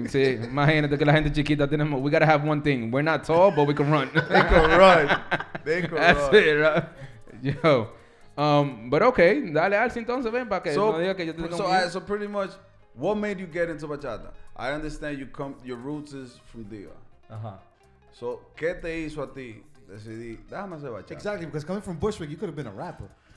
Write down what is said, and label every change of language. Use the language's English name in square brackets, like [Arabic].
[Spanish] Sí, imagínate que la gente chiquita tiene... [English] We gotta have one thing. We're not tall, but we can run. They can run. That's it, right? Yo. But okay. [Spanish] Dale, Alci, entonces, ven, para que no diga que yo te tengo... [English] So pretty much, what made you get into bachata? I understand your roots is from DR. Uh-huh. So, [Spanish] ¿qué te hizo a ti decidir, déjame hacer bachata? [English] Exactly, because coming from Bushwick, you could have been a rapper.